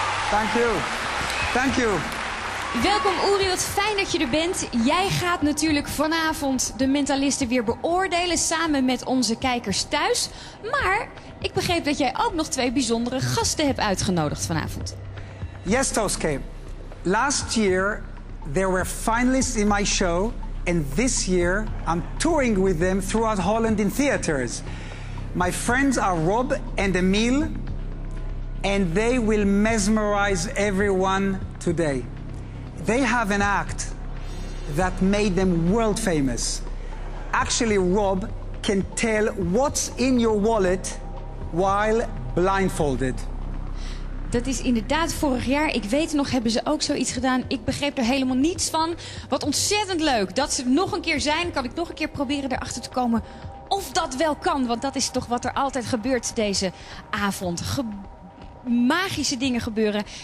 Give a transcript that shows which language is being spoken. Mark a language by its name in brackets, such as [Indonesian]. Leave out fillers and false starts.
[Dutch] Dank u. Dank u. Welkom Uri, wat fijn dat je er bent. Jij gaat natuurlijk vanavond de mentalisten weer beoordelen samen met onze kijkers thuis. Maar ik begreep dat jij ook nog twee bijzondere gasten hebt uitgenodigd vanavond. [English] Yes, Toske. Last year there were finalists in my show and this year I'm touring with them throughout Holland in theaters. My friends are Rob and Emil and they will mesmerize everyone today. They have an act that made them world famous. Actually, Rob can tell what's in your wallet while blindfolded. [Dutch] Dat is inderdaad vorig jaar. Ik weet nog, hebben ze ook zoiets gedaan. Ik begreep er helemaal niets van. Wat ontzettend leuk dat ze er nog een keer zijn. Kan ik nog een keer proberen erachter te komen of dat wel kan. Want dat is toch wat er altijd gebeurt deze avond. Magische dingen gebeuren.